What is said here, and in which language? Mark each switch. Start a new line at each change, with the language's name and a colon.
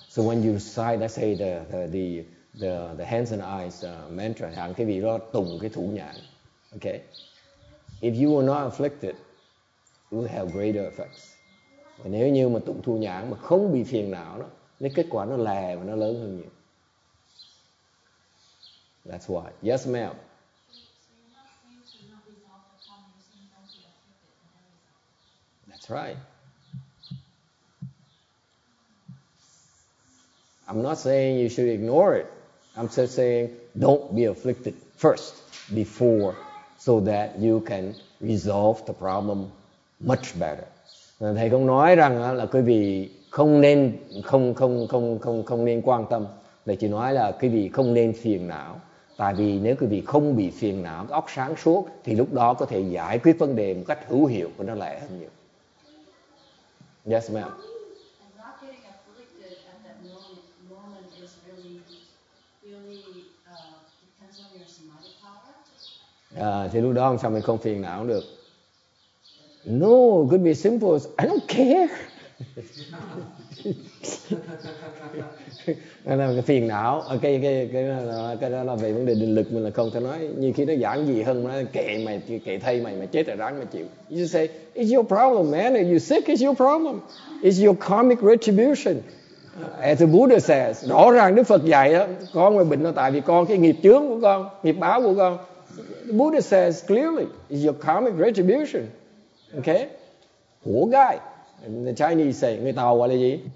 English: So when you recite, let's say the hands and eyes mantra,
Vietnamese: hẳn quý vị đó tụng cái thủ nhãn.
English: Okay. If you were not afflicted, it would have greater effects.
Vietnamese: Và nếu như mà tụng thủ nhãn mà không bị phiền não, đó, cái kết quả nó lè và nó lớn hơn nhiều.
English: That's why. Yes, ma'am. Right. I'm not saying you should ignore it. I'm just saying don't be afflicted first, before, so that you can resolve the problem much better.
Vietnamese: Thầy không nói rằng là quý vị không nên không nên quan tâm. Thầy chỉ nói là quý vị không nên phiền não. Tại vì nếu quý vị không bị phiền não, óc sáng suốt, thì lúc đó có thể giải quyết vấn đề một cách hữu hiệu và nó lại hơn nhiều.
English: Yes, ma'am. I'm not getting afflicted at that moment is really depends on your samadhi power.
Vietnamese: Thì lúc đó sao mình không phiền não cũng được.
English: No, it could be simple. I don't care.
Vietnamese: Cái là cái phiền não, cái đó là về vấn đề định lực mình là không thể nói. Nhiều khi nó giảng gì hơn nó kệ mày, kệ thay mày, mày chết rồi ráng mày chịu.
English: You just say it's your problem, man. If you sick, it's your problem. It's your karmic retribution. As the Buddha says,
Vietnamese: rõ ràng Đức Phật dạy đó, con mày bệnh nó tại vì con cái nghiệp chướng của con, nghiệp báo của con.
English: The Buddha says clearly, it's your karmic retribution. Okay, poor guy. And the Chinese say,
Vietnamese: người Tàu gọi là gì?